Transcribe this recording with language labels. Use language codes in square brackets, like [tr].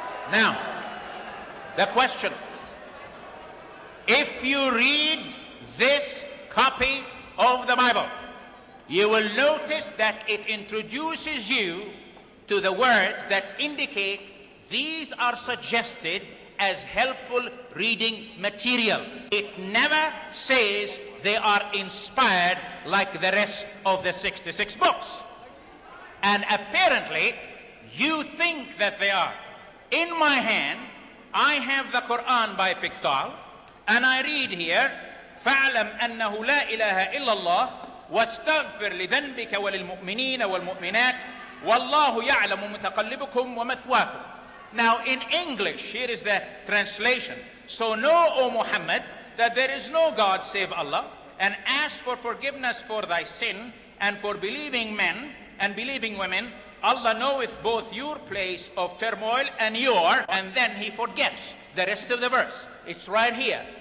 [en] Now, the question. If you read this copy of the Bible, you will notice that it introduces you to the words that indicate these are suggested as helpful reading material. It never says they are inspired like the rest of the 66 books. And apparently, you think that they are. In my hand, I have the Quran by Pikthol, and I read here, [ar] فَعْلَمْ أَنَّهُ لَا إِلَهَ إِلَّا اللَّهِ وَاسْتَغْفِرْ لِذَنْبِكَ وَلِلْمُؤْمِنِينَ وَالْمُؤْمِنَاتِ وَاللَّهُ يَعْلَمُ مُتَقَلِّبُكُمْ وَمَثْوَاكُمْ. [en] Now in English, here is the translation. So know, O Muhammad, that there is no God save Allah, and ask for forgiveness for thy sin, and for believing men and believing women. Allah knoweth both your place of turmoil and your, and then he forgets the rest of the verse. It's right here.